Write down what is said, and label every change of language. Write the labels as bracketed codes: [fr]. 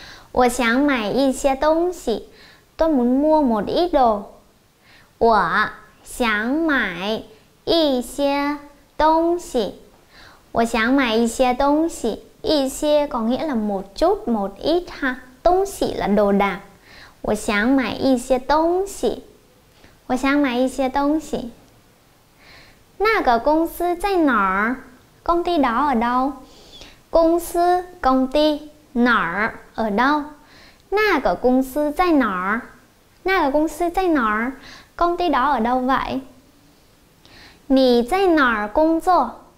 [zh] 我想买一些东西. [vi] Tôi muốn mua một ít đồ. [zh] 我想买一些 东西, 我想买一些东西, 一些 [vi] có nghĩa là một chút, một ít ha. 东西 là đồ đạc. [zh] 我想买一些东西, 我想买一些东西. 那个公司在哪儿? [vi] Công ty đó ở đâu? 公司, công ty, 哪儿, ở đâu? [zh] 那个公司在哪儿?那个公司在哪儿? [vi] Công ty đó ở đâu vậy? [zh] 你在哪儿工作?